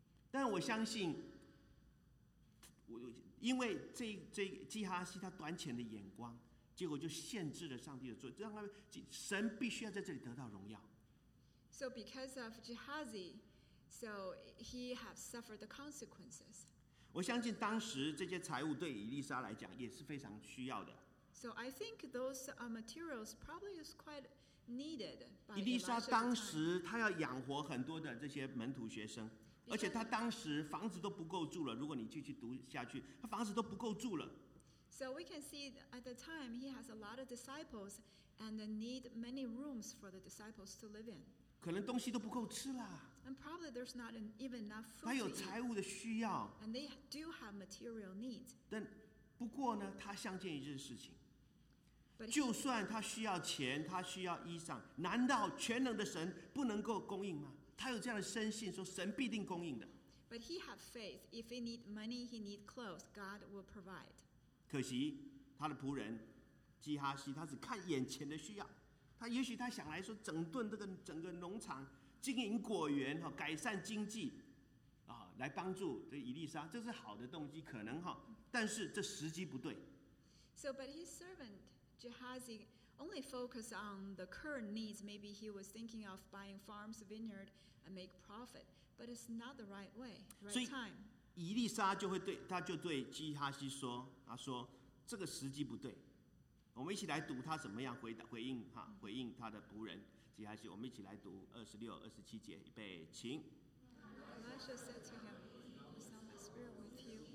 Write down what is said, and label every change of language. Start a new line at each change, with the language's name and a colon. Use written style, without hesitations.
Chinese: 但我相信因为这基哈西他短浅的眼光，结果就限制了上帝的作用，让神必须要在这里得到荣耀。
English: So because of Gehazi, so he has suffered the consequences.
Chinese: 我相信当时这些财物对以利沙来讲也是非常需要的。
English: So I think those materials probably is quite needed.
Chinese: 以利沙当时他要养活很多的这些门徒学生。而且他当时房子都不够住了，如果你继续读下去，他房子都不够住了。
English: So we can see at the time he has a lot of disciples and they need many rooms for the disciples to live in.
Chinese: 可能东西都不够吃了。
English: And probably there's not even enough food.
Chinese: 他有财务的需要。
English: And they do have material needs.
Chinese: 但不过呢，他相信一件事情，就算他需要钱，他需要衣裳，难道全能的神不能够供应吗？他有这样的深信，说神必定供应的。
English: But he had faith. If he need money, he need clothes. God will provide.
Chinese: 可惜他的仆人基哈西，他只看眼前的需要。他也许他想来说，整顿这个整个农场，经营果园，改善经济，来帮助这以利沙，这是好的动机，可能哈。但是这时机不对。
English: So, but his servant Gehazi. Only focus on the current needs. Maybe he was thinking of buying farms, vineyard, and make profit. But it's not the right way, right time.
Chinese: 以利沙就会对他就对基哈西说，他说这个时机不对。我们一起来读他怎么样回应他的仆人基哈西。我们一起来读二十六、二十七节，预备，请。
English: Elisha said to him, "Is not my spirit with you?"